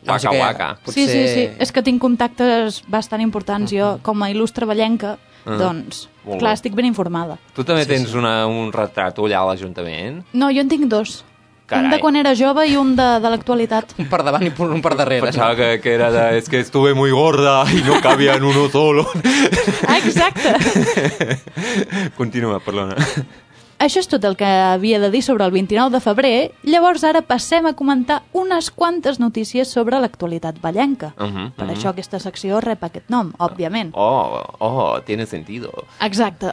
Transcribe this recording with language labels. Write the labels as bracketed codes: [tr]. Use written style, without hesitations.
[ca] Waka. Potser... Sí. És que tinc contactes bastant importants, jo, com a il·lustre vallenca, doncs, clar, estic ben informada. Tu també tens un retrat allà a l'Ajuntament? No, jo en tinc dos. Carai. Un de quan era jove i un de l'actualitat. Un per davant i un per darrere. Pensava que era de... [es] Es que estuve muy gorda y no cabía en uno solo. [ca] Exacte. Continua, perdona. Això és tot el que havia de dir sobre el 29 de febrer. Llavors ara passem a comentar unes quantes notícies sobre l'actualitat vallenca. Per això aquesta secció rep aquest nom, òbviament. [es] Oh, tiene sentido. [ca] Exacte.